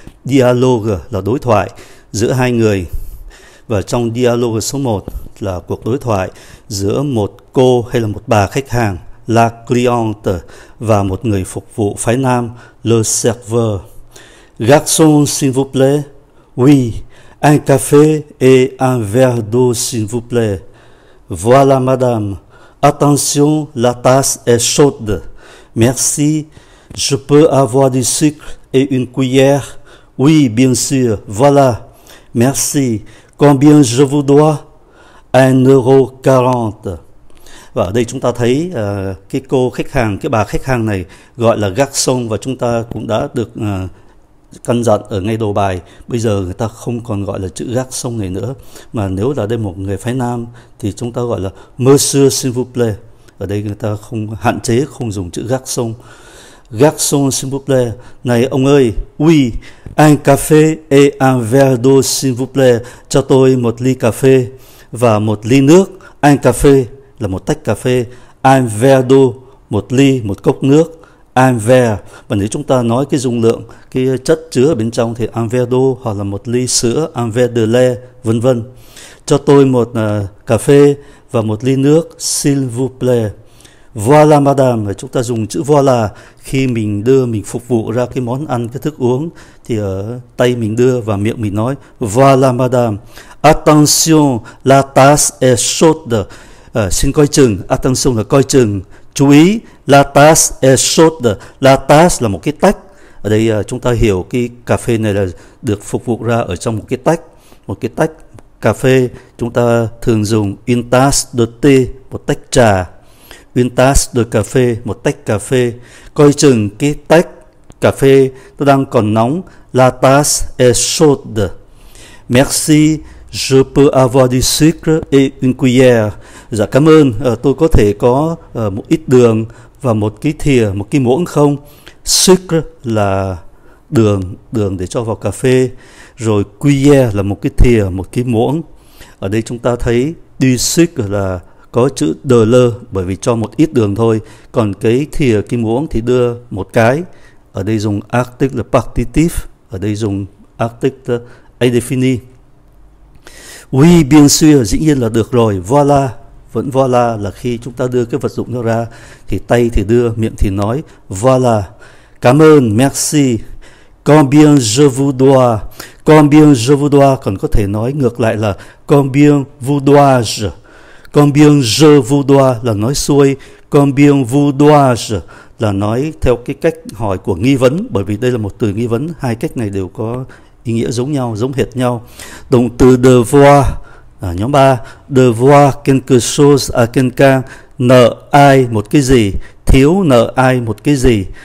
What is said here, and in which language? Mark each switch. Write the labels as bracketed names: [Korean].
[Vietnamese] Dialogue là đối thoại giữa hai người. Và trong dialogue số 1 là cuộc đối thoại giữa một cô hay là một bà khách hàng, [French] la cliente, [Vietnamese] và một người phục vụ phái nam, [French] le serveur. Garçon, s'il vous plaît. Oui. Un café et un verre d'eau, s'il vous plaît. Voilà, madame. Attention, la tasse est chaude. Merci. Je peux avoir du sucre et une cuillère? Oui, bien sûr. Voilà. Merci. Combien je vous dois? 1,40 €. [Vietnamese] Và ở đây chúng ta thấy cái cô khách hàng, cái bà khách hàng này gọi là garçon, và chúng ta cũng đã được căn dặn ở ngay đầu bài, bây giờ người ta không còn gọi là chữ garçon này nữa, mà nếu là đây một người phái nam thì chúng ta gọi là [French] monsieur s'il vous plaît. [Vietnamese] Ở đây người ta không hạn chế, không dùng chữ garçon. [French] Garçon s'il vous plaît. [Vietnamese] Này ông ơi. [French] Oui, un café et un verre d'eau s'il vous plaît. [Vietnamese] Cho tôi một ly cà phê và một ly nước. [French] Un café [Vietnamese] là một tách cà phê, [French] un verre d'eau [Vietnamese] một ly, một cốc nước. Un verre, và nếu chúng ta nói cái dung lượng, cái chất chứa ở bên trong thì [French] un verre d'eau [Vietnamese] hoặc là một ly sữa, [French] un verre de lait, [Vietnamese] vân vân. Cho tôi một cà phê và một ly nước, [French] s'il vous plaît. Voilà, madame, [Vietnamese] và chúng ta dùng chữ voilà khi mình đưa, mình phục vụ ra cái món ăn, cái thức uống, thì ở tay mình đưa và miệng mình nói, [French] voilà, madame. Attention, la tasse est chaude. [Vietnamese] Xin coi chừng, [French] attention [Vietnamese] là coi chừng. Chú ý, [French] la tasse est chaude. [Vietnamese] La tasse là một cái tách. Ở đây chúng ta hiểu cái cà phê này là được phục vụ ra ở trong một cái tách. Một cái tách cà phê chúng ta thường dùng [French] une tasse de thé, [Vietnamese] một tách trà. [French] Une tasse de café, [Vietnamese] một tách cà phê. Coi chừng cái tách cà phê nó đang còn nóng. [French] La tasse est chaude. Merci, je peux avoir du sucre et une cuillère. [Vietnamese] Dạ cảm ơn, tôi có thể có một ít đường và một cái thìa, một cái muỗng không? Sucre là đường, đường để cho vào cà phê. Rồi cuillère là một cái thìa, một cái muỗng. Ở đây chúng ta thấy [French] du sucre [Vietnamese] là có chữ de lơ, bởi vì cho một ít đường thôi. Còn cái thìa, cái muỗng thì đưa một cái. Ở đây dùng article participe, ở đây dùng article indéfini. [French] Oui, bien sûr, [Vietnamese] dĩ nhiên là được rồi, voilà. Vẫn voilà là khi chúng ta đưa cái vật dụng nó ra thì tay thì đưa, miệng thì nói. [French] Voilà. [Vietnamese] Cảm ơn. [French] Merci. Combien je vous dois? Combien je vous dois? [Vietnamese] Còn có thể nói ngược lại là [French] combien vous dois-je? Combien je vous dois [Vietnamese] là nói xuôi. [French] Combien vous dois-je [Vietnamese] là nói theo cái cách hỏi của nghi vấn. Bởi vì đây là một từ nghi vấn. Hai cách này đều có ý nghĩa giống nhau, giống hệt nhau. Động từ devoir. Nhóm 3, [French] devoir quelque chose à quelqu'un, [Vietnamese] nợ ai một cái gì, thiếu nợ ai một cái gì.